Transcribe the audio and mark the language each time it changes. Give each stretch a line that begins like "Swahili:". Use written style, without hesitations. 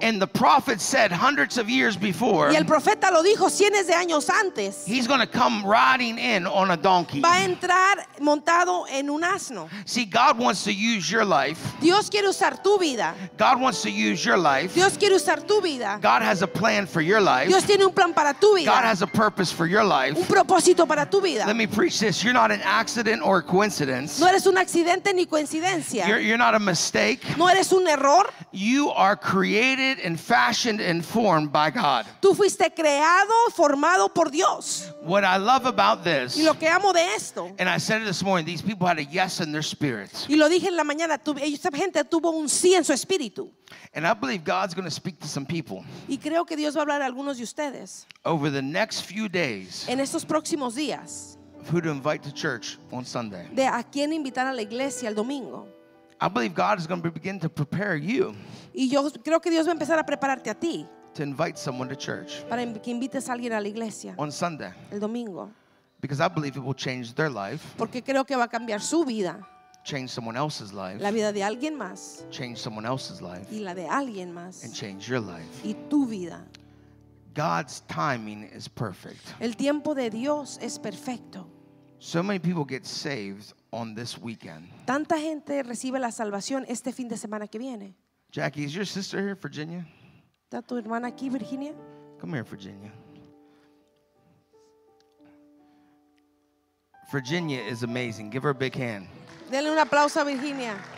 English: And the prophet said hundreds of years before,
Spanish: y el profeta lo dijo cientos de años antes,
English: he's going to come riding in on a donkey.
Spanish: Va a entrar montado en un asno.
English: See, God wants to use your life.
Spanish: Dios quiere usar tu vida.
English: God wants to use your life.
Spanish: Dios quiere usar tu vida.
English: God has a plan for your life.
Spanish: Dios tiene un plan para tu vida.
English: God has a purpose for your life.
Spanish: Un propósito para tu vida.
English: Let me preach this. You're not an accident or a coincidence.
Spanish: No eres un accidente ni coincidencia.
English: You're not a mistake.
Spanish: No eres un error.
English: You are created and fashioned and formed by God.
Spanish: Tú fuiste creado, formado por Dios.
English: What I love about this,
Spanish: y lo que amo de esto,
English: and I said it this morning, these people had a yes in their spirits.
Spanish: Y lo dije en la mañana, esta gente tuvo un sí en su espíritu.
English: And I believe God's going to speak to some people.
Spanish: Y creo que Dios va a hablar a algunos de ustedes.
English: Over the next few days.
Spanish: En estos próximos días.
English: Who to invite to church on Sunday.
Spanish: De a quién invitar a la iglesia el domingo.
English: I believe God is going to begin to prepare you.
Spanish: Y yo creo que Dios va a empezar a prepararte a ti.
English: To invite someone to church.
Spanish: Para que invites a alguien a la iglesia.
English: On Sunday.
Spanish: El domingo.
English: Because I believe it will change their life.
Spanish: Porque creo que va a cambiar su vida.
English: Change someone else's life.
Spanish: La vida de alguien más.
English: Change someone else's life.
Spanish: Y la de alguien más.
English: And change your life.
Spanish: Y tu vida.
English: God's timing is perfect.
Spanish: El tiempo de Dios es perfecto.
English: So many people get saved on this weekend.
Spanish: Tanta gente recibe la salvación este fin de semana que viene.
English: Jackie, is your sister here, Virginia?
Spanish: ¿Está tu hermana aquí, Virginia?
English: Come here, Virginia. Virginia is amazing. Give her a big hand.
Spanish: Denle un aplauso a Virginia.